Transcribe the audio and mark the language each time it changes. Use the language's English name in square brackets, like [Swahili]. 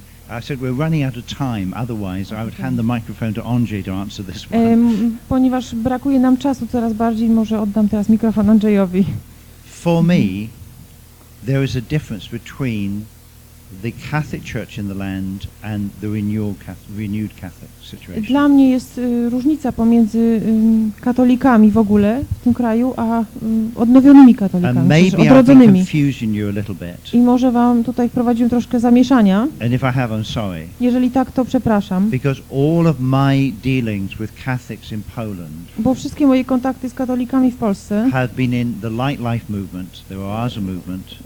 [English] I said we're running out of time, otherwise I would hand the microphone to Andrzej to answer this one. [Polish] Ponieważ brakuje nam czasu coraz bardziej, może oddam teraz mikrofon Andrzejowi. [English] For me, there is a difference between the Catholic Church in the land and the renewed Catholic situation. [Polish] Dla mnie jest różnica pomiędzy katolikami w ogóle w tym kraju, a odnowionymi katolikami, [English] maybe [Polish] odrodzonymi. [English] I've confused you a little bit. [Polish] I może wam tutaj wprowadziłem troszkę zamieszania. [English] And if I have, I'm sorry. [Polish] Jeżeli tak, to przepraszam. [English] Because all of my dealings with Catholics in Poland. [Polish] Bo wszystkie moje kontakty z katolikami w Polsce. [English] Have been in the Light Life movement, the Oaza movement.